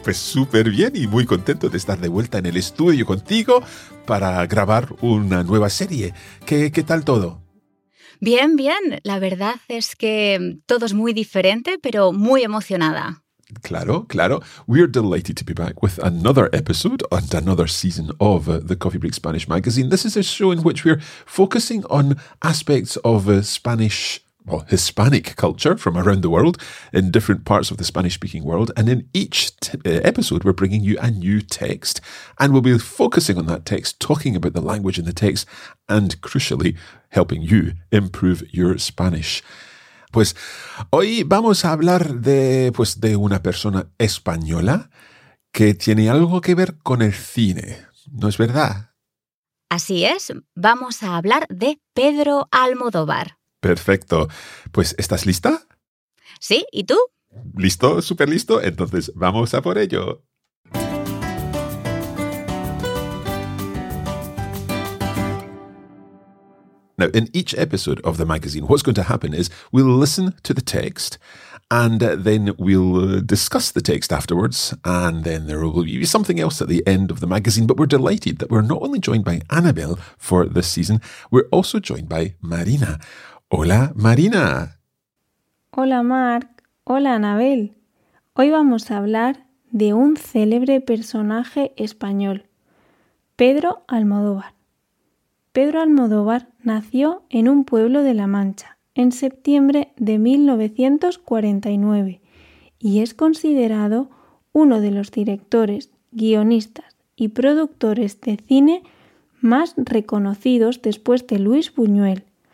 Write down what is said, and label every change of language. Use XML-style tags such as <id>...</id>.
<es>Pues súper bien y muy contento de estar de vuelta en el estudio contigo para grabar una nueva serie. ¿Qué tal todo? Bien, bien. La verdad es que todo es muy diferente, pero muy emocionada. Claro, claro.</es> <en>We are delighted to be back with another episode and another season of the Coffee Break Spanish Magazine. This is a show in which we're focusing on aspects of Spanish, well, Hispanic culture from around the world in different parts of the Spanish-speaking world. And in each episode, we're bringing you a new text. And we'll be focusing on that text, talking about the language in the text, and crucially, helping you improve your Spanish.</en> <es>Pues hoy vamos a hablar de una persona española que tiene algo que ver con el cine, ¿no es verdad? Así es, vamos a hablar de Pedro Almodóvar. Perfecto, pues ¿estás lista? Sí, ¿y tú? ¿Listo? ¿Súper listo? Entonces vamos a por ello.</es> <en>Now, in each episode of the magazine, what's going to happen is we'll listen to the text and then we'll discuss the text afterwards, and then there will be something else at the end of the magazine. But we're delighted that we're not only joined by Anabel for this season, we're also joined by Marina.</en> <es>Hola, Marina. Hola, Marc. Hola, Anabel. Hoy vamos a hablar de un célebre personaje español, Pedro Almodóvar. Pedro Almodóvar nació en un pueblo de La Mancha en septiembre de 1949 y es considerado uno de los directores, guionistas y productores de cine más reconocidos después de Luis Buñuel.</es>